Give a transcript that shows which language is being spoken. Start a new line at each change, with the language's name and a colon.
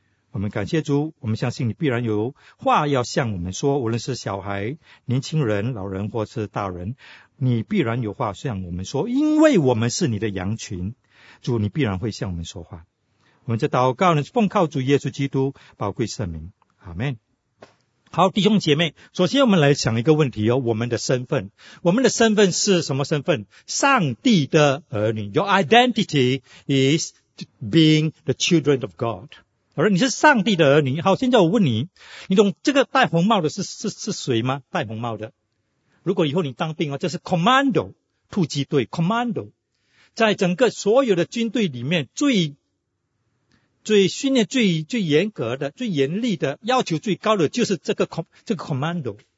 Chinese: 我们感谢主，我们相信你必然有话要向我们说，无论是小孩、年轻人、老人或是大人，你必然有话向我们说，因为我们是你的羊群，主你必然会向我们说话。我们这祷告呢，奉靠主耶稣基督宝贵圣名，阿们。好，弟兄姐妹，首先我们来想一个问题哦，我们的身份，我们的身份是什么身份？上帝的儿女。
English: Your identity is being the children of God。
Chinese: 好了，你是上帝的儿女。好，现在我问你，你懂这个戴红帽的是谁吗？戴红帽的，如果以后你当兵哦，这是 commando 突击队 commando， 在整个所有的军队里面最训练最严格的、最严厉的、要求最高的就是这个 commando。